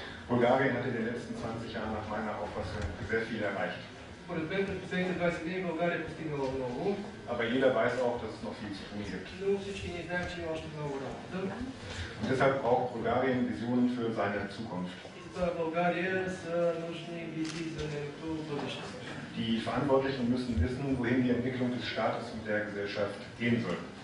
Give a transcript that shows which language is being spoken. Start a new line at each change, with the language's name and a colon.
German: България hat in den letzten 20 Jahren nach meiner Auffassung sehr viel erreicht.
Bulgarian: Според мен през последните 20 години България постигнала много.
German: Aber jeder weiß auch, dass es noch viel zu tun gibt.
Bulgarian: Но всички ние знаем, че има още много работа.
German: Und deshalb braucht Bulgarien Visionen für seine Zukunft.
Bulgarian: За България са нужни визии за нейното бъдеще.
German: Die Verantwortlichen müssen wissen, wohin die Entwicklung des Staates und der Gesellschaft gehen soll.